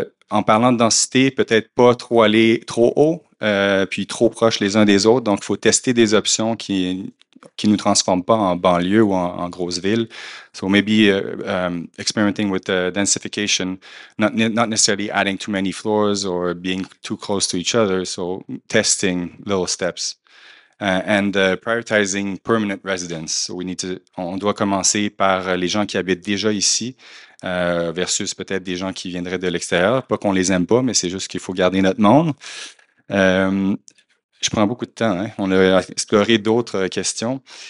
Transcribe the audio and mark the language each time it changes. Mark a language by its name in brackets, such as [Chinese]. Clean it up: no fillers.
[French] En parlant de densité, peut-être pas trop aller trop haut, puis trop proche les uns des autres. Donc, il faut tester des options qui nous transforment pas en banlieue ou en grosse ville. [English] So maybe experimenting with densification, not necessarily adding too many floors or being too close to each other. So testing little steps. Prioritizing permanent residents. So [French] on doit commencer par les gens qui habitent déjà ici versus peut-être des gens qui viendraient de l'extérieur. Pas qu'on les aime pas, mais c'est juste qu'il faut garder notre monde. Je prends beaucoup de temps. Hein. On a exploré d'autres questions.